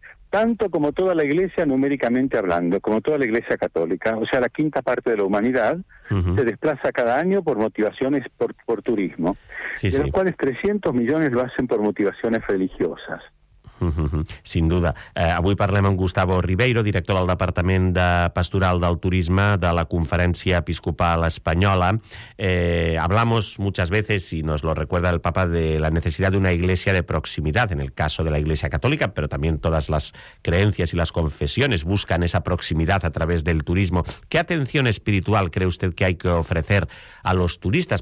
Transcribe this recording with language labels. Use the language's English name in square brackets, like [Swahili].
[Spanish] Tanto como toda la Iglesia, numéricamente hablando, como toda la Iglesia católica, o sea, la quinta parte de la humanidad, se desplaza cada año por motivaciones, por turismo, de los cuales 300 millones lo hacen por motivaciones religiosas. Sin duda. [Catalan] Avui parlem amb Gustavo Ribeiro, director del Departament de Pastoral del Turisme de la Conferència Episcopal Espanyola. [Spanish] Hablamos muchas veces, y nos lo recuerda el Papa, de la necesidad de una iglesia de proximidad, en el caso de la Iglesia Católica, pero también todas las creencias y las confesiones buscan esa proximidad a través del turismo. ¿Qué atención espiritual cree usted que hay que ofrecer a los turistas?